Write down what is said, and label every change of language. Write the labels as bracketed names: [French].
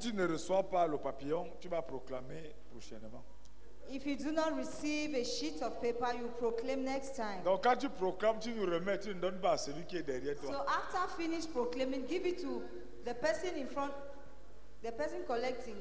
[French] reçois pas le papillon, tu vas proclamer prochainement. [English] If you do not receive a sheet of paper, you proclaim next time. [French] Donc quand tu proclames, tu nous remets, tu ne donnes pas à celui qui est derrière toi. [English] So after finish proclaiming, give it to the person in front, the person collecting.